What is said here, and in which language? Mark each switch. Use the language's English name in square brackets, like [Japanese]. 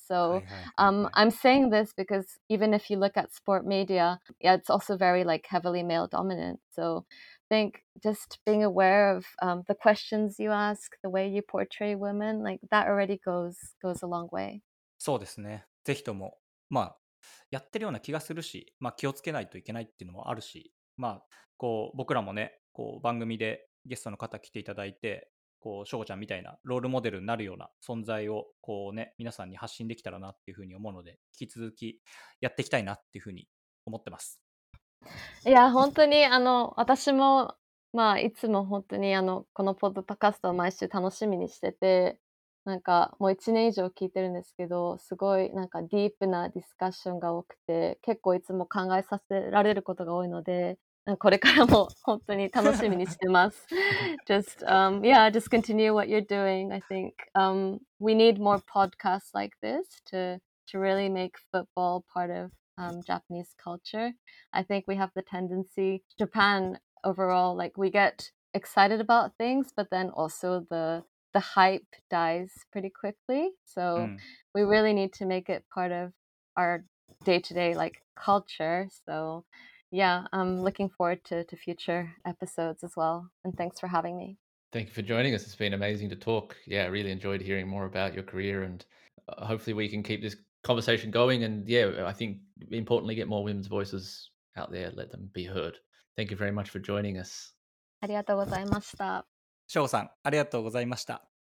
[English] So I'm saying this because even if you look at sport media, yeah, it's also very like heavily male dominant. So I think just being aware of the questions you ask, the way you portray women, like that already goes a long way. [Japanese] そうですね。ぜひとも、まあ、やってるような気がするし、まあ、気をつけないといけないっていうのもあるし、まあ、こう僕らもね、こう番組でゲストの方来ていただいて、こうしょこちゃんみたいなロールモデルになるような存在をこうね皆さんに発信できたらなっていうふうに思うので、引き続きやっていきたいなっていうふうに思ってます。いや本当に私もまあいつも本当にこのポッドキャストを毎週楽しみにしてて、なんかもう1年以上聞いてるんですけど、すごいなんかディープなディスカッションが多くて、結構いつも考えさせられることが多いので、これからも本当に楽しみにしてます。 [English] Just, yeah, just continue what you're doing. I think we need more podcasts like this to really make football part of Japanese culture. I think we have the tendency, Japan overall, like we get excited about things, but then also the hype dies pretty quickly. So we really need to make it part of our day-to-day like culture. So yeah, I'm looking forward to future episodes as well. And thanks for having me. Thank you for joining us. It's been amazing to talk. Yeah, I really enjoyed hearing more about your career, and hopefully we can keep this conversation going. And yeah, I think importantly, get more women's voices out there. Let them be heard. Thank you very much for joining us. [Japanese] ありがとうございました。翔さん、ありがとうございました。